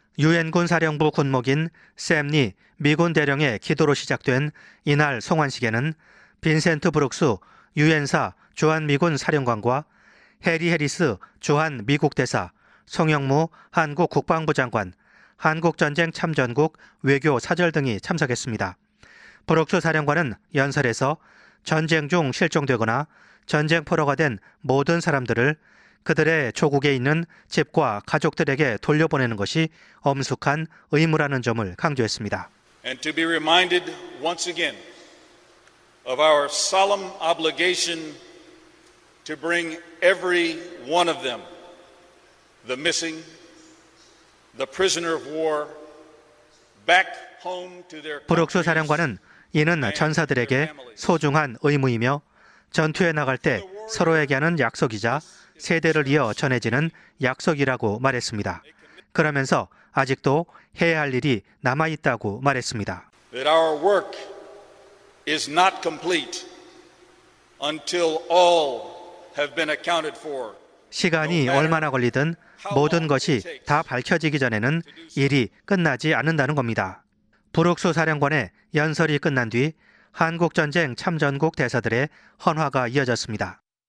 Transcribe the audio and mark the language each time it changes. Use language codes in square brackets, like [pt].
[ko] 유엔군 사령부 군목인 샘리 미군 대령의 기도로 시작된 이날 송환식에는 빈센트 브룩스 유엔사 주한미군 사령관과 해리 해리스 주한미국 대사, 송영무 한국 국방부 장관, 한국전쟁 참전국 외교 사절 등이 참석했습니다. 브룩스 사령관은 연설에서 전쟁 중 실종되거나 전쟁 포로가 된 모든 사람들을 그들의 조국에 있는 집과 가족들에게 돌려보내는 것이 엄숙한 의무라는 점을 강조했습니다. [en] And to be reminded once again of our solemn obligation to bring every one of them, the missing, the prisoner of war, back home to their. [ko] 브룩스 사령관은 이는 전사들에게 소중한 의무이며 전투에 나갈 때 서로에게 하는 약속이자 세대를 이어 전해지는 약속이라고 말했습니다. 그러면서 아직도 해야 할 일이 남아 있다고 말했습니다. [en] That our work is not complete until all have been accounted for. [ko] 시간이 얼마나 걸리든 모든 것이 다 밝혀지기 전에는 일이 끝나지 않는다는 겁니다. 브룩스 사령관의 연설이 끝난 뒤 한국전쟁 참전국 대사들의 헌화가 이어졌습니다.